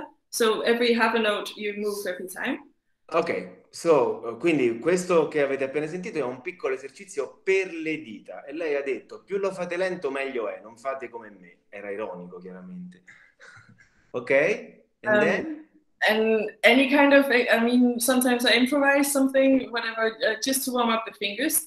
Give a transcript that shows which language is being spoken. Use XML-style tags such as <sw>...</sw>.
<en>So every half a note you move every time.</en> <it>Ok, so quindi questo che avete appena sentito è un piccolo esercizio per le dita. E lei ha detto, più lo fate lento meglio è, non fate come me. Era ironico, chiaramente. Ok?</it> <en>And then? And any kind of, I mean, sometimes I improvise something, whatever, just to warm up the fingers.</en>